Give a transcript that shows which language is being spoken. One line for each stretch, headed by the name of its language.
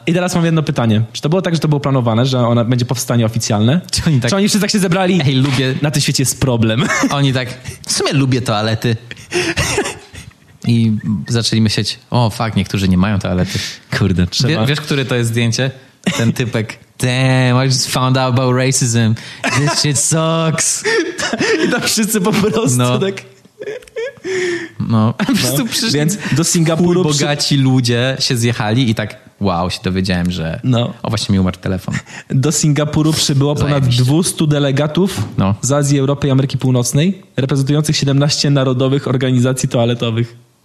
Polish: I teraz mam jedno pytanie. Czy to było tak, że to było planowane, że ona będzie powstanie oficjalne? Czy oni wszyscy tak się zebrali? Ej, lubię. Na tym świecie jest problem. Oni tak, w sumie lubię toalety. I zaczęli myśleć,
English: o fuck,
Polish: niektórzy nie mają toalety. Kurde, trzeba. Wiesz, które to jest zdjęcie? Ten typek.
English: Damn, I just found out about racism. This shit sucks.
Polish: I tam wszyscy po prostu tak... No. Więc do Singapuru bogaci ludzie się zjechali i tak, wow, się dowiedziałem, że... No. O, właśnie mi umarł telefon. Do Singapuru przybyło ponad 200 delegatów z Azji, Europy i Ameryki Północnej, reprezentujących 17 narodowych organizacji toaletowych.